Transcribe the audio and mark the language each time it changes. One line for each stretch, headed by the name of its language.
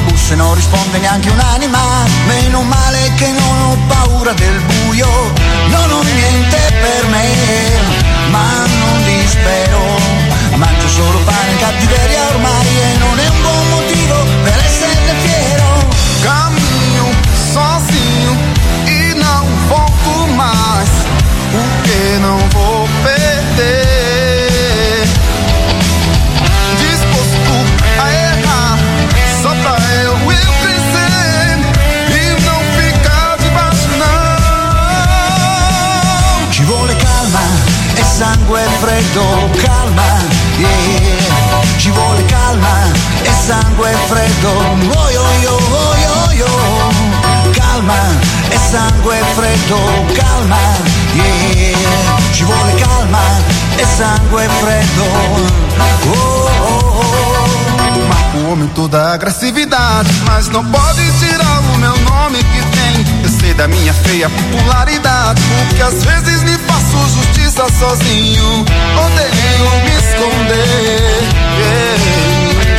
Italian: Busse non risponde neanche un'anima. Meno male che non ho paura del buio. Non ho niente per me, ma non dispero. Mangio solo pane e cattiveria ormai, e non è un buon motivo per essere fiero.
Portuguese: Caminho sozinho e não volto mais, porque não vou perder. Disposto a errar, só pra eu ir crescendo, e não ficar debaixo não.
Italian: Ci vuole calma, e sangue è freddo, calma. Yeah. Ci vuole calma e sangue freddo. Oh, yo, yo, oh, yo, yo. Calma e sangue freddo. Calma, yeah. Ci vuole calma e sangue freddo. Oh, oh, oh.
Portuguese: Marco o momento da agressividade, mas não pode tirar o meu nome que tem. Eu sei da minha feia popularidade, porque às vezes me faço justiça sozinho. Odeio me esconder, yeah.